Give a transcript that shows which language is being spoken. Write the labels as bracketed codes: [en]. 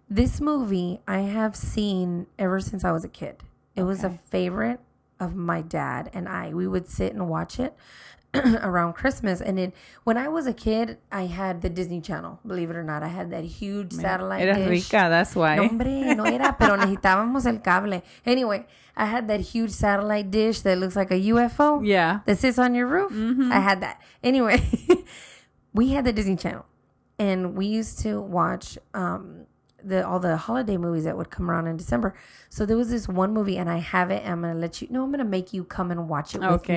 [en] This movie I have seen ever since I was a kid. It was a favorite of my dad and I. We would sit and watch it around Christmas. And then when I was a kid, I had the Disney Channel. Believe it or not, I had that huge satellite dish. [es] Era rica, [en] that's why. [es] No, hombre, no era, pero necesitábamos el cable. [en] Anyway, I had that huge satellite dish that looks like a UFO. Yeah. That sits on your roof. Mm-hmm. I had that. Anyway, we had the Disney Channel, and we used to watch all the holiday movies that would come around in December. So there was this one movie, and I have it, and I'm going to let you know. I'm going to make you come and watch it with me.